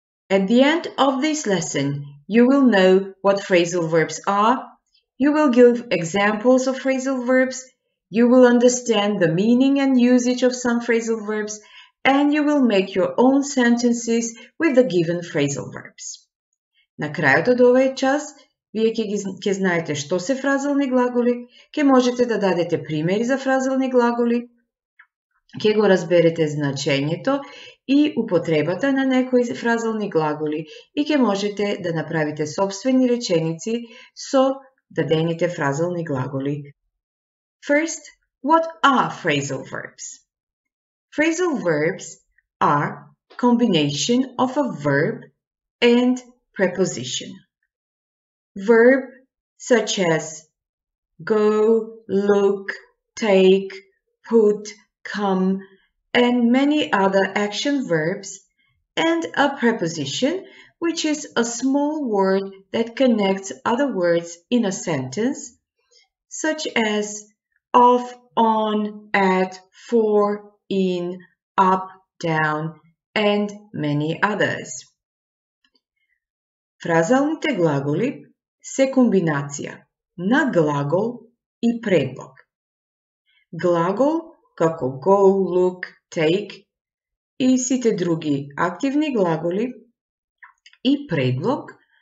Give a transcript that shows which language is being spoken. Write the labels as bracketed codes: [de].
[en] At the end of this lesson, you will know what phrasal verbs are, you will give examples of phrasal verbs, you will understand the meaning and usage of some phrasal verbs, and you will make your own sentences with the given phrasal verbs. [mk] На крајот од овој час, вие ќе знаете што се фразални глаголи, ќе можете да дадете примери за фразални глаголи, ќе го разберете значењето и употребата на некои фразални глаголи и ќе можете да направите собствени реченици со дадените фразални глаголи. [en] First, what are phrasal verbs? Phrasal verbs are combination of a verb and preposition. Verb such as go, look, take, put, come, and many other action verbs, and a preposition, which is a small word that connects other words in a sentence, such as of, on, at, for, in, up, down, and many others. [mk] Фразалните глаголи се комбинација на глагол и предлог. Глагол како go, look, take и сите други активни глаголи и предлог.